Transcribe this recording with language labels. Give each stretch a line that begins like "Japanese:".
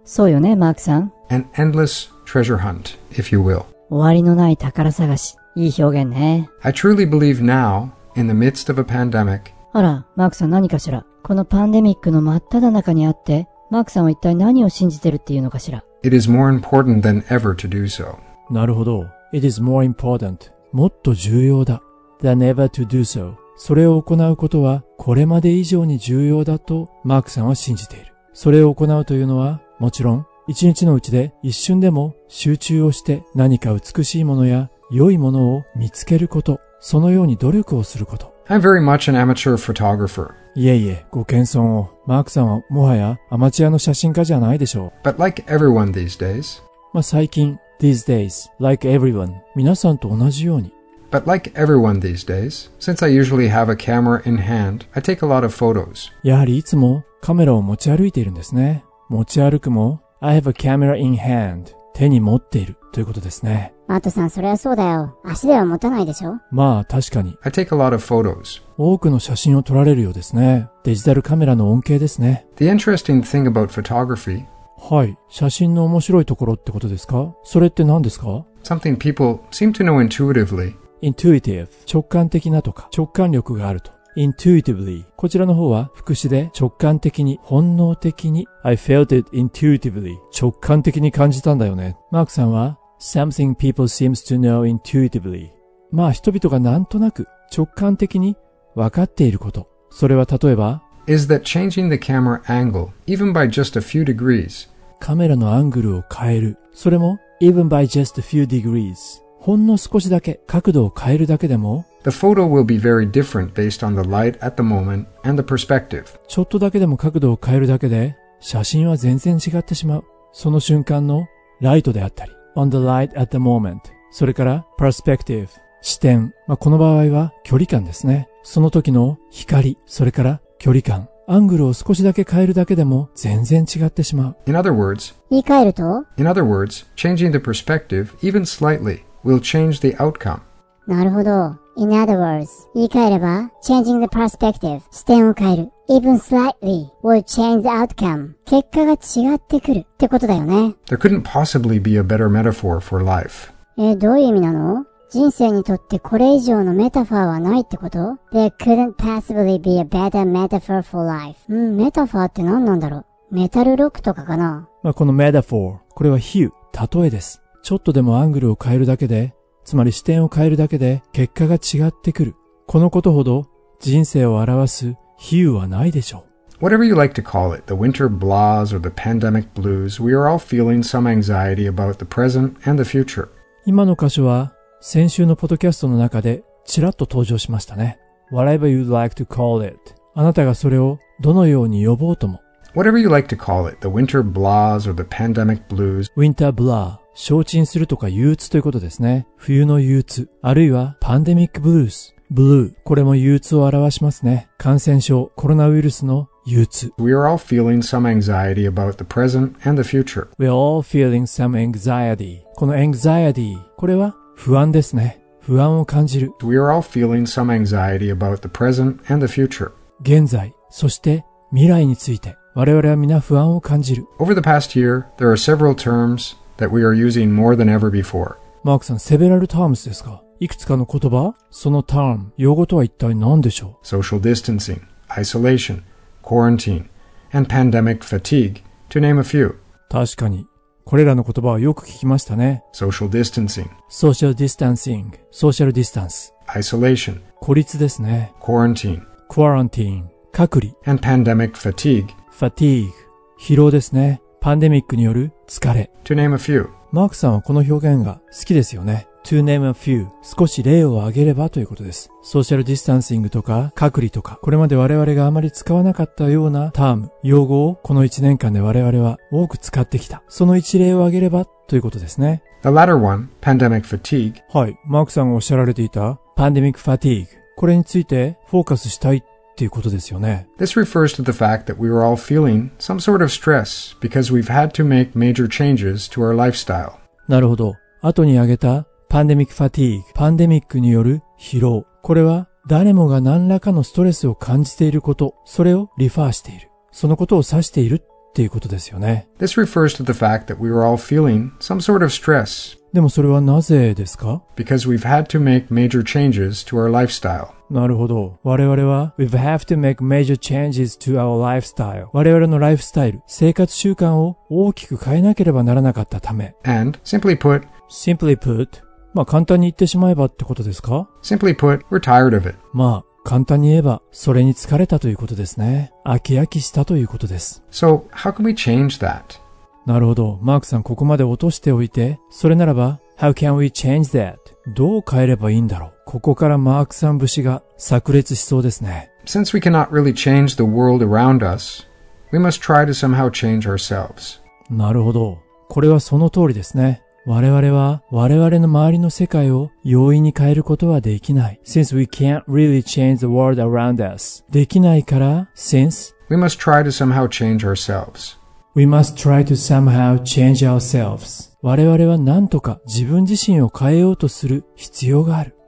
Japanese: そうよね、マークさん。
English: An endless treasure hunt, if you will。
Japanese: 終わりのない宝探し、いい表現ね。
English: I truly believe now, in the midst of a pandemic。
Japanese: あら、マークさん、何かしら。このパンデミックの真っ只中にあって、マークさんは一体何を信じてるっていうのかしら。
English: It is more important than ever to do so。
Japanese: なるほど。
English: It is more important、
Japanese: もっと重要だ。
English: than ever to do so、
Japanese: それを行うことはこれまで以上に重要だとマークさんは信じている。それを行うというのは、もちろん一日のうちで一瞬でも集中をして何か美しいものや良いものを見つけること、そのように努力をすること。
English: I'm very much an amateur photographer。
Japanese: いえいえ、ご謙遜を。マークさんはもはやアマチュアの写真家じゃないでしょう。
English: But like everyone these days、
Japanese: まあ最近
English: these days、 like everyone、
Japanese: 皆さんと同じように。
English: But But like everyone these days, since I usually have a camera in hand, I take a lot of photos.
Japanese: やはりいつもカメラを持ち歩いているんですね。持ち歩くも、
English: I have a camera in hand.
Japanese: 手に持っているということですね。マートさん、それはそうだよ。足では持たないでしょ？まあ、確かに。
English: I take a lot of photos.
Japanese: 多くの写真を撮られるようですね。デジタルカメラの恩恵ですね。
English: The interesting thing about photography...
Japanese: はい、写真の面白いところってことですか？それって何ですか？
English: Something people seem to know intuitively. Intuitive.
Japanese: 直感的なとか、直感力があると。
English: Intuitively.
Japanese: こちらの方は副詞で、直感的に、本能的に。
English: I felt it intuitively.
Japanese: 直感的に感じたんだよね。
English: マークさんは、Something people seems to know intuitively.
Japanese: まあ、人々がなんとなく、直感的に分かっていること。それは例えば、
English: Is that changing the camera angle, even by just a few degrees?
Japanese: カメラのアングルを変える。それも、
English: even by just a few degrees.
Japanese: ほんの少しだけ角度を変えるだけでも、
English: The photo will be very different based on the light at the moment and the perspective.
Japanese: ちょっとだけでも角度を変えるだけで、写真は全然違ってしまう。その瞬間のライトであったり、
English: on the light at the moment.
Japanese: それから、perspective。視点。まあ、この場合は距離感ですね。その時の光。それから、距離感、アングルを少しだけ変えるだけでも全然違ってしまう。
English: In other words,
Japanese: 言い換えると
English: In other words, changing the perspective, even slightly, will change the outcome.
Japanese: なるほど。
English: In other words,
Japanese: 言い換えれば、
English: changing the perspective,
Japanese: 視点を変える、
English: even slightly, will change the outcome.
Japanese: 結果が違ってくるってことだよね。
English: There couldn't possibly be a better metaphor for life.
Japanese: どういう意味なの？人生にとってこれ以上のメタファーはないってこと?
English: There couldn't possibly be a better metaphor for life.
Japanese: メタファーって何なんだろう?メタルロックとかかな? まあこのメタフォー、これは比喩、例えです。ちょっとでもアングルを変えるだけで、つまり視点を変えるだけで結果が違ってくる。このことほど人生を表す比喩はないでしょう。
English: Whatever you like to call it, the winter blahs or the pandemic blues, we are all feeling some anxiety about the present and the future.
Japanese: 今の箇所は、先週のポッドキャストの中でちらっと登場しましたね。
English: Whatever you like to call it.
Japanese: あなたがそれをどのように呼ぼうとも。
English: Whatever you like to call it, the winter blahs or the pandemic blues.
Japanese: Winter blah, 消沈するとか憂鬱ということですね。冬の憂鬱。あるいはパンデミックブルース。Blue, これも憂鬱を表しますね。感染症、コロナウイルスの憂鬱。
English: We are all feeling some anxiety about the present and the future. We are all feeling some anxiety.
Japanese: この anxiety, これは不安ですね。不安を感じる。
English: We are all feeling some anxiety about the present and the future.
Japanese: 現在、そして未来について、我々は皆不安を感じる。
English: Over the past year, there are several terms that we are using more than ever before.
Japanese: マークさん、
English: several terms
Japanese: ですか？いくつかの言葉？その term、用語とは一体何でしょう？
English: Social distancing, isolation, quarantine, and pandemic fatigue, to name a few.
Japanese: 確かに。これらの言葉はよく聞きましたね。
English: Social distancing. Social distancing. Social distance. Isolation.
Japanese: 孤立ですね。
English: Quarantine. Quarantine. 隔離。 And pandemic fatigue.
Japanese: Fatigue. 疲労ですね。パンデミックによる疲れ。
English: To name a few.
Japanese: マークさんはこの表現が好きですよね。
English: To name a few.
Japanese: 少し例を挙げればということです。Social distancing とか隔離とか、これまで我々があまり使わなかったようなターム、用語をこの1年間で我々は多く使ってきた。その一例を挙げればということですね。
English: The latter one, pandemic fatigue.
Japanese: はい。マークさんがおっしゃられていた pandemic fatigue。これについてフォーカスしたいっていうことですよね。
English: This refers to the fact that we were all feeling some sort of stress because we've had to make major changes to our lifestyle.
Japanese: なるほど。後に挙げたパンデミックファティーグ、パンデミックによる疲労。これは誰もが何らかのストレスを感じていること、それをリファーしている。そのことを指しているっていうことですよね。
English: This refers to the fact that we were all feeling some sort of stress.
Japanese: でもそれはなぜですか?
English: Because we've had to make major changes to our lifestyle.
Japanese: なるほど。我々は
English: we've have to make major changes to our lifestyle.
Japanese: 我々のライフスタイル、生活習慣を大きく変えなければならなかったため。
English: And simply put, simply put,
Japanese: まあ簡単に言ってしまえばってことですか?
English: Simply put, we're tired of it.
Japanese: まあ簡単に言えばそれに疲れたということですね。飽き飽きしたということです。
English: So, how can we change that?
Japanese: なるほど。マークさんここまで落としておいて、それならば、
English: How can we change that?
Japanese: どう変えればいいんだろう。ここからマークさん節が炸裂しそうですね。
English: Since we cannot really change the world around us, we must try to somehow change ourselves.
Japanese: なるほど。これはその通りですね。我々は我々の周りの世界を容易に変えることはできない。
English: Since we can't really change the world around us.
Japanese: できないから、since
English: we must try to somehow change ourselves. We must try to somehow change ourselves.
Japanese: 我々は何とか自分自身を変えようとする必要がある。